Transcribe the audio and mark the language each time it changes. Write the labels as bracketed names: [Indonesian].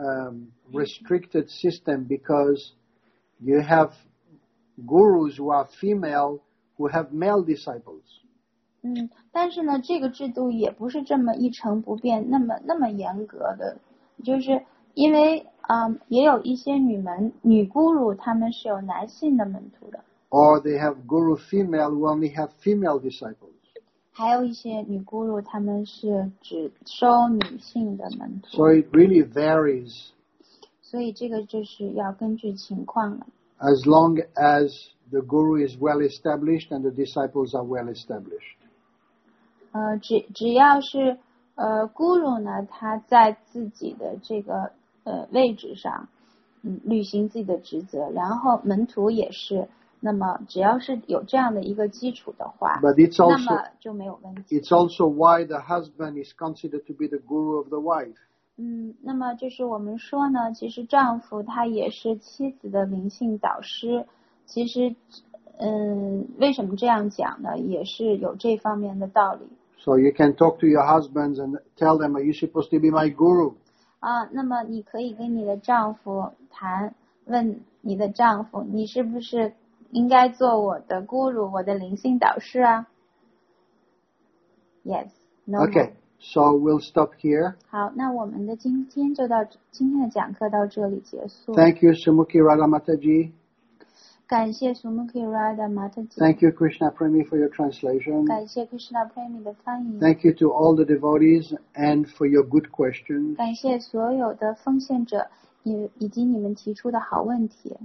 [English] It's not a restricted system because you have gurus who are female who have male disciples. [Chinese] 但是呢，这个制度也不是这么一成不变，那么严格的，就是。因为也有一些女门女 guru 她们是有男性的门徒的。 [English] Or they have guru female who only have female disciples. [Chinese] 还有一些女 guru 她们是只收女性的门徒。 [English] So it really varies. [Chinese] 所以这个就是要根据情况了。 [English] As long as the guru is well established and the disciples are well established. [Chinese] 只要是。 guru 呢，他在自己的这个位置上，履行自己的职责，然后门徒也是。那么只要是有这样的一个基础的话， [English] But it's also, [Chinese] 那么就没有问题。 [English] It's also why the husband is considered to be the guru of the wife. [Chinese] 那么就是我们说呢，其实丈夫他也是妻子的灵性导师。其实，为什么这样讲呢？也是有这方面的道理。 [English] So you can talk to your husbands and tell them, are you supposed to be my guru? [Chinese] 那么你可以跟你的丈夫谈，问你的丈夫，你是不是应该做我的 guru, 我的灵性导师啊？ [English] Yes, no. Okay, so we'll stop here. [Chinese] 好，那我们的今天就到，今天的讲课到这里结束。 [English] Thank you, Sumukhi Radha Mataji. [Chinese] 感谢 Sumukhi Radha Mataji. [English] Thank you, Krishna Premi, for your translation. [Chinese] 感谢 Krishna Premi 的翻译。 [English] Thank you to all the devotees and for your good questions. [Chinese] 感谢所有的奉献者以及你们提出的好问题。